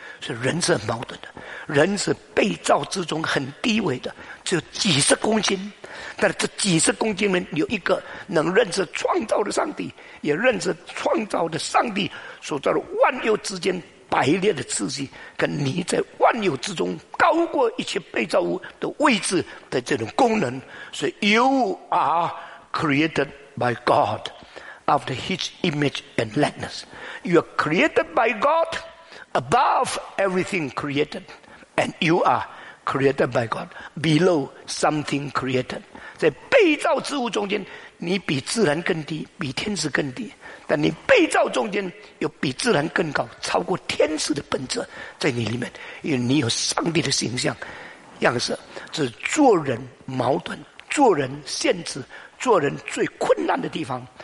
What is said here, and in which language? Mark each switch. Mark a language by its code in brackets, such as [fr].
[zh] 所以人是很矛盾的，人是被造之中很低微的，只有几十公斤，但这几十公斤人有一个能认识创造的上帝，也认识创造的上帝所造的万有之间白烈的自己，跟你在万有之中高过一切被造物的位置的这种功能。所以 [en] You are created by God after His image and likeness. You are created by God above everything created, and you are created by God below something created. [zh] 在被造之物中间，你比自然更低，比天使更低，但你被造中间又比自然更高，超过天使的本质在你里面，因为你有上帝的形象样式。这是做人矛盾，做人限制，做人最困难的地方。